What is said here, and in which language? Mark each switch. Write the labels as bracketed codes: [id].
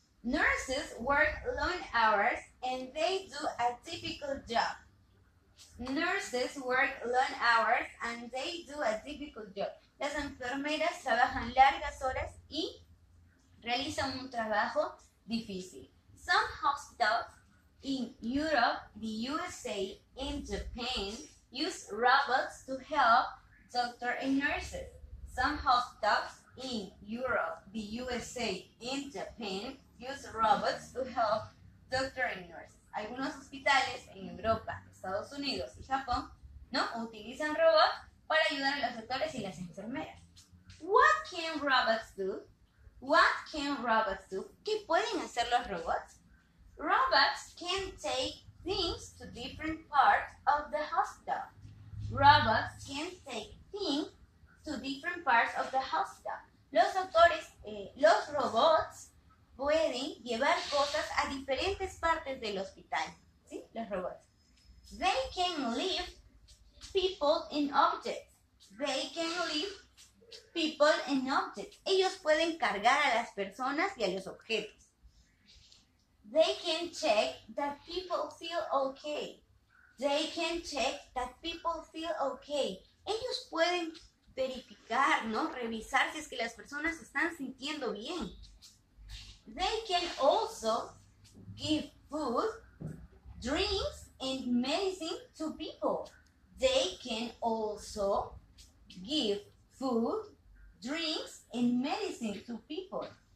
[en] Nurses work long hours and they do a typical job. Nurses work long hours and they do a typical job. [es] Las enfermeras trabajan largas horas y realizan un trabajo difícil. [en] Some hospitals in Europe, the USA, and Japan use robots to help doctors and nurses. Some hospitals in Europe, the USA, and Japan use robots to help doctors and nurses. [es] Algunos hospitales en Europa, Estados Unidos y Japón no utilizan robots para ayudar a los doctores y las enfermeras. [en] What can robots do? What can robots do? [es] ¿Qué pueden hacer los robots? [en] Robots can take things to different parts of the hospital. Robots can take things to different parts of the hospital. [es] Los doctores, los robots pueden llevar cosas a diferentes partes del hospital. ¿Sí? Los robots. [en] They can lift people and objects. They can lift people and objects. [es] Ellos pueden cargar a las personas y a los objetos. [en] They can check that people feel okay. They can check that people feel okay. [es] Ellos pueden verificar, ¿no? Revisar si es que las personas están sintiendo bien. [en] They can also give food, drinks, and medicine to people. They can also give food, drinks, and medicine to people.